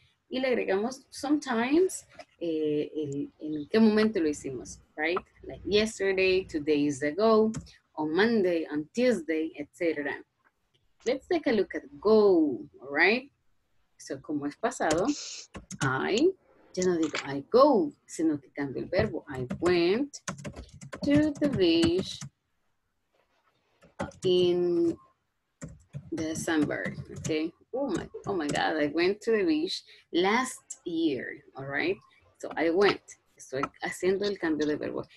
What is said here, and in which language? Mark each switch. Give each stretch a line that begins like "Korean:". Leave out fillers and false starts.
Spanish: Y le agregamos sometimes en qué momento lo hicimos, right?
English: Like yesterday, 2 days ago, on Monday, on Tuesday, etc. Let's take a look at go, all right?
Spanish: So, como es pasado, I, ya no digo
English: I go,
Spanish: sino que cambio el verbo.
English: I went to the beach in December, okay? Oh my God, I went to the beach last year, all right? So I went,
Spanish: estoy haciendo el cambio de verbo.